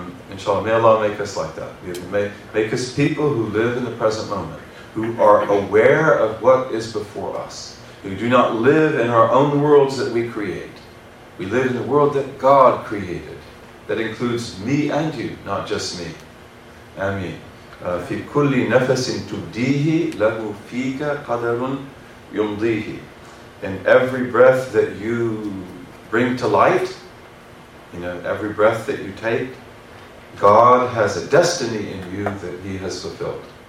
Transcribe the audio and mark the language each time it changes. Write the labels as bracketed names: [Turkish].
[English] Inshallah, may Allah make us like that. Make us people who live in the present moment, who are aware of what is before us, who do not live in our own worlds that we create. We live in the world that God created, that includes me and you, not just me. Ameen. [Arabic] في كل نفس تبديه له فيك قدر يمضيه. [English] In every breath that you bring to light, you know, every breath that you take, God has a destiny in you that He has fulfilled.